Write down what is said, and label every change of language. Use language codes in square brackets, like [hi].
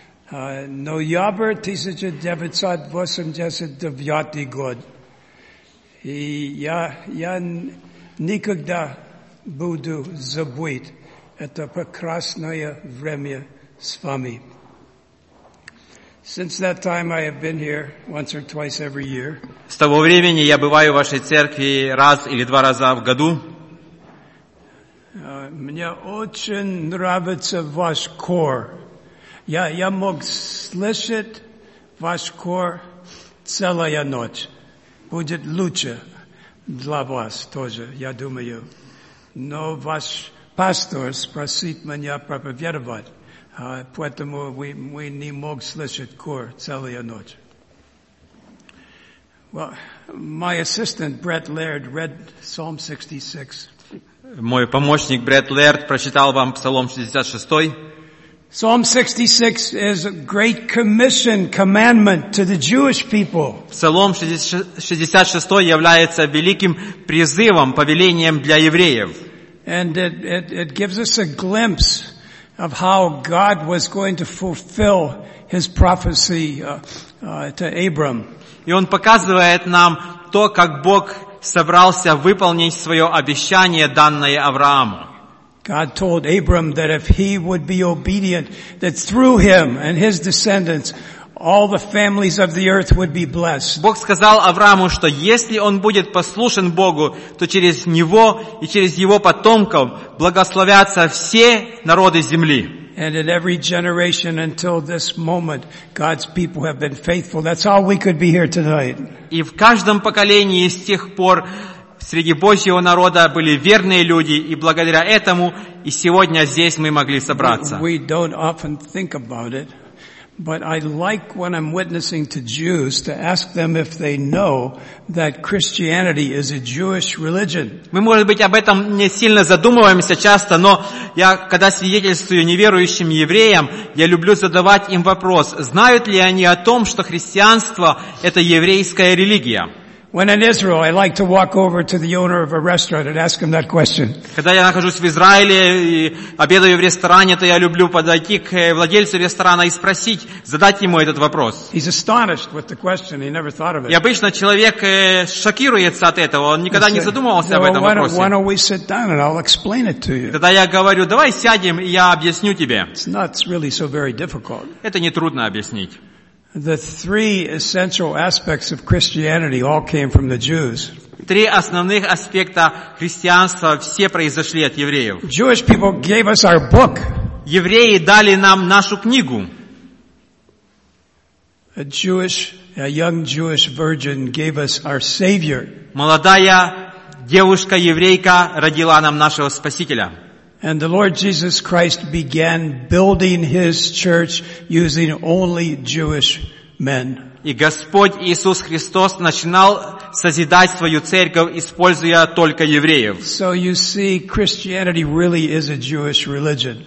[ru] Ноябрь 1989 год. И я никогда буду забыть это прекрасное время с вами. [en] Since that time, I have been here once or twice every year. [ru] С того времени я бываю в вашей церкви раз или два раза в году. Мне очень нравится ваш хор. Я мог слышать ваш хор целая ночь. Будет лучше для вас тоже, я думаю. Но ваш пастор спросит меня проповедовать. Поэтому мы не мог слышать хор целую ночь. [en] Well, my assistant Brett Laird read Psalm 66. [ru] Мой помощник Брет Лерд прочитал вам Псалом 66. [en] Psalm 66 is a great commission, commandment to the Jewish people. [ru] Псалом 66 является великим призывом, повелением для евреев. [en] And it gives us a glimpse of how God was going to fulfill his prophecy to Abram. [ru] И он показывает нам то, как Бог собрался выполнить своё обещание, данное Аврааму. [en] God told Abram that if he would be obedient, that through him and his descendants all the families of the earth would be blessed. [ru] Бог сказал Аврааму, что если он будет послушен Богу, то через него и через его потомков благословятся все народы земли. [en] And in every generation until this moment, God's people have been faithful. That's all we could be here tonight. [ru] И в каждом поколении с тех пор среди Божьего народа были верные люди, и благодаря этому и сегодня здесь мы могли собраться. [en] We don't often think about it. But I like when I'm witnessing to Jews to ask them if they know that Christianity is a Jewish religion. [ru] Мы, может быть, об этом не сильно задумываемся часто, но я, когда свидетельствую неверующим евреям, я люблю задавать им вопрос: знают ли они о том, что христианство — это еврейская религия? [en] When in Israel, I like to walk over to the owner of a restaurant and ask him that question. [ru] Когда я нахожусь в Израиле и обедаю в ресторане, то я люблю подойти к владельцу ресторана и спросить, задать ему этот вопрос. [en] He's astonished with the question. He never thought of it. [ru] И обычно человек шокируется от этого. Он никогда не задумывался об этом вопросе. [en] Why don't we sit down and I'll explain it to you? [ru] Тогда я говорю: давай сядем и я объясню тебе. [en] It's not really so very difficult. [ru] Это не трудно объяснить. [en] The three essential aspects of Christianity all came from the Jews. [ru] Три основных аспекта христианства все произошли от евреев. [en] Jewish people gave us our book. [ru] Евреи дали нам нашу книгу. [en] A young Jewish virgin gave us our Savior. [ru] Молодая девушка-еврейка родила нам нашего Спасителя. [en] And the Lord Jesus Christ began building his church using only Jewish men. [ru] И Господь Иисус Христос начинал созидать свою церковь, используя только евреев. [en] So you see, Christianity really is a Jewish religion.